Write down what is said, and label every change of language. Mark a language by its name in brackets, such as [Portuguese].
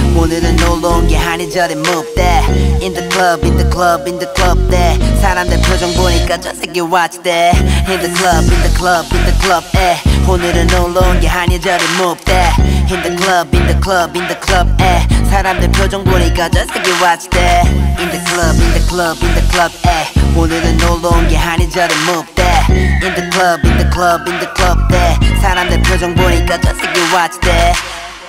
[Korean] 오늘은 놀러온 게 한의절은 못돼. [English] In the club, in the club, in the club, 에. [Korean] 사람들 표정 보니까 저 새끼 [English] watch that. In the club, in the club, in the club, 에. [Korean] 오늘은 놀러온 게 한의절은 못돼. [English] In the club, in the club, in the club, 에. [Korean] 사람들 표정 보니까 저 새끼 [English] watch that. In the club, in the club, in the club, 에. [Korean] 오늘은 놀러온 게 한의절은 못돼. [English] In the club, in the club, in the club, 에. [Korean] 사람들 표정 보니까 저 새끼 [English] watch that.